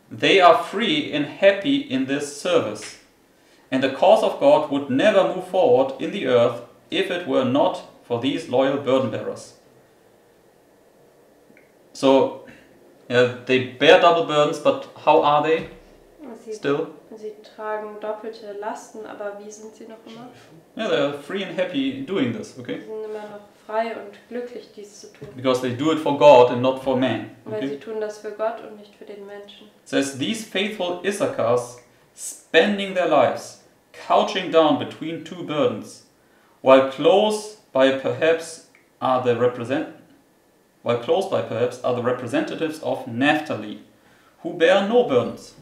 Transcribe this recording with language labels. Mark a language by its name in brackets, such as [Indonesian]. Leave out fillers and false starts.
[English] They are free and happy in this service. And the cause of God would never move forward in the earth if it were not for these loyal burden bearers. So, they bear double burdens, but how are they still? [German] Sie tragen doppelte Lasten, aber wie sind sie noch immer? [English] Yeah, they are free and happy doing this, okay? [German] Sie sind immer noch frei und glücklich, dies zu tun. [English] Because they do it for God and not for man. Okay? [German] Weil sie tun das für Gott und nicht für den Menschen. [English] It says, these faithful Issachars spending their lives, couching down between two burdens, while close by perhaps are the representatives of Naphtali, who bear no burdens.